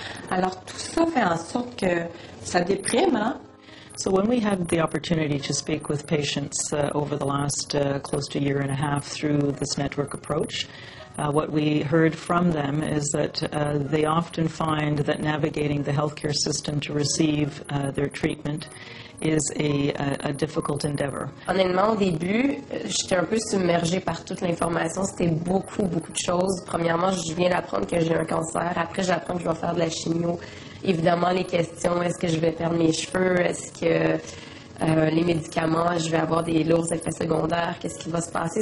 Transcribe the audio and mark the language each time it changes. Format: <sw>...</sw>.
<fr>Alors, tout ça fait en sorte que ça déprime, hein?</fr> <en>So when we had the opportunity to speak with patients over the last close to a year and a half through this network approach, what we heard from them is that they often find that navigating the healthcare system to receive their treatment is a difficult endeavor.</en> <fr>Honnêtement, au début, j'étais un peu submergée par toute l'information. C'était beaucoup, beaucoup de choses. Premièrement, je viens d'apprendre que j'ai un cancer. Après, j'apprends que je vais faire de la chimio. Évidemment, les questions, est-ce que je vais perdre mes cheveux, est-ce que les médicaments, je vais avoir des lourds effets secondaires, qu'est-ce qui va se passer?</fr>